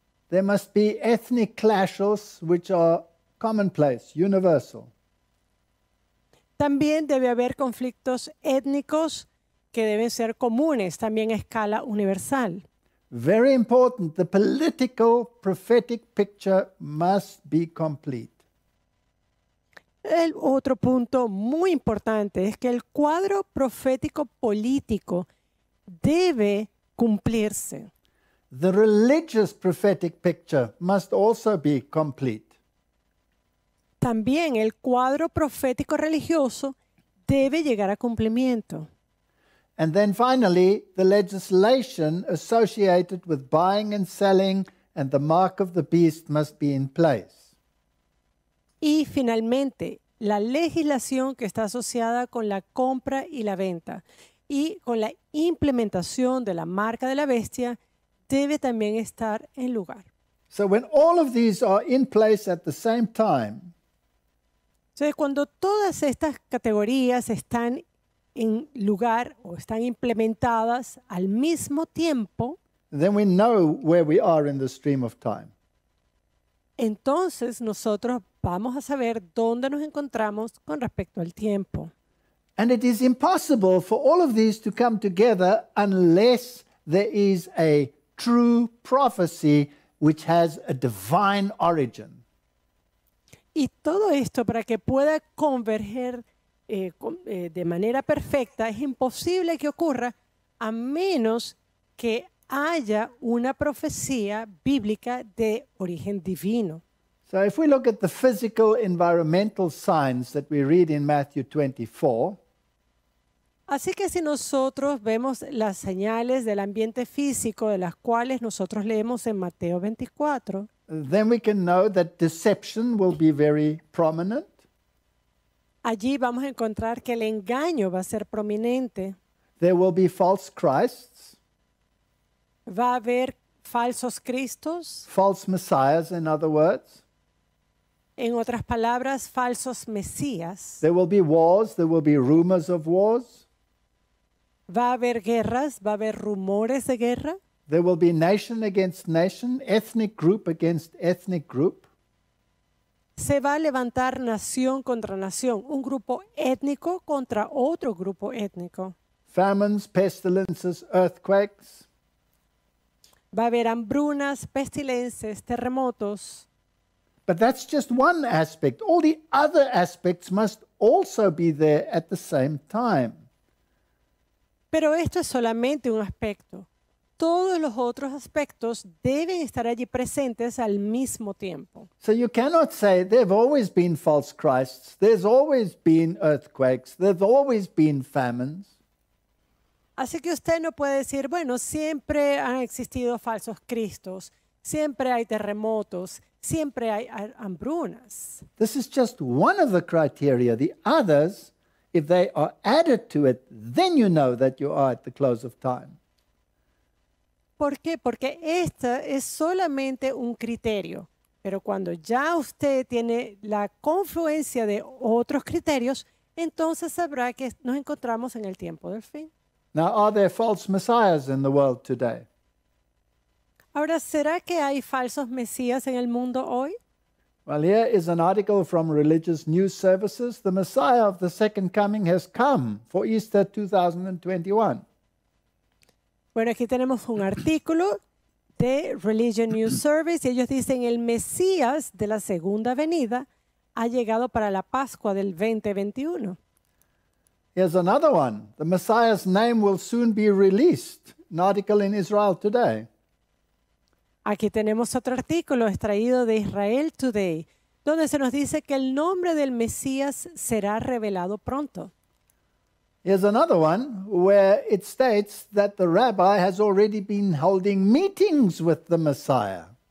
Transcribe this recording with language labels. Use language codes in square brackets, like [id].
[en] There must be ethnic clashes which are commonplace, universal. [es] También debe haber conflictos étnicos que deben ser comunes, también a escala universal. [en] Very important, the political prophetic picture must be complete. [es] El otro punto muy importante es que el cuadro profético político debe cumplirse. [en] The religious prophetic picture must also be complete. [es] También el cuadro profético religioso debe llegar a cumplimiento. [en] And then finally, the legislation associated with buying and selling and the mark of the beast must be in place. [es] Y finalmente, la legislación que está asociada con la compra y la venta y con la implementación de la marca de la bestia debe también estar en lugar. [en] So when all of these are in place at the same time, [es] entonces, cuando todas estas categorías están en lugar o están implementadas al mismo tiempo, [en] then we know where we are in the stream of time. [es] Entonces nosotros vamos a saber dónde nos encontramos con respecto al tiempo. [en] And it is impossible for all of these to come together unless there is a true prophecy which has a divine origin. [es] Y todo esto para que pueda converger de manera perfecta es imposible que ocurra a menos que haya una profecía bíblica de origen divino. [en] So if we look at the physical environmental signs that we read in Matthew 24. [es] Así que si nosotros vemos las señales del ambiente físico de las cuales nosotros leemos en Mateo 24. [en] Then we can know that deception will be very prominent. [es] Allí vamos a encontrar que el engaño va a ser prominente. [en] There will be false Christs. [es] Va a haber falsos Cristos. [en] False Messiahs, in other words. [es] En otras palabras, falsos Mesías. [en] There will be wars, there will be rumors of wars. [es] Va a haber guerras, va a haber rumores de guerra. [en] There will be nation against nation, ethnic group against ethnic group. [es] Se va a levantar nación contra nación, un grupo étnico contra otro grupo étnico. [en] Famines, pestilences, earthquakes. [es] Va a haber hambrunas, pestilences, terremotos. [en] But that's just one aspect. All the other aspects must also be there at the same time. [es] Pero esto es solamente un aspecto. Todos los otros aspectos deben estar allí presentes al mismo tiempo. [en] So you cannot say there have always been false Christs, there's always been earthquakes, there's always been famines. [es] Así que usted no puede decir, bueno, siempre han existido falsos Cristos, siempre hay terremotos, siempre hay hambrunas. [en] This is just one of the criteria. The others, if they are added to it, then you know that you are at the close of time. [es] ¿Por qué? Porque esta es solamente un criterio. Pero cuando ya usted tiene la confluencia de otros criterios, entonces sabrá que nos encontramos en el tiempo del fin. [en] Now, are there false messiahs in the world today? [es] Ahora, ¿será que hay falsos mesías en el mundo hoy? [en] Well, here is an article from Religious News Services. The Messiah of the Second Coming has come for Easter 2021. [es] Bueno, aquí tenemos un artículo de Religion News Service y ellos dicen el Mesías de la Segunda Venida ha llegado para la Pascua del 2021. [en] Here's another one. The Messiah's name will soon be released. An article in Israel Today. [es] Aquí tenemos otro artículo extraído de Israel Today, donde se nos dice que el nombre del Mesías será revelado pronto. [en] Here's another one where it states that the rabbi has already been holding meetings with the Messiah.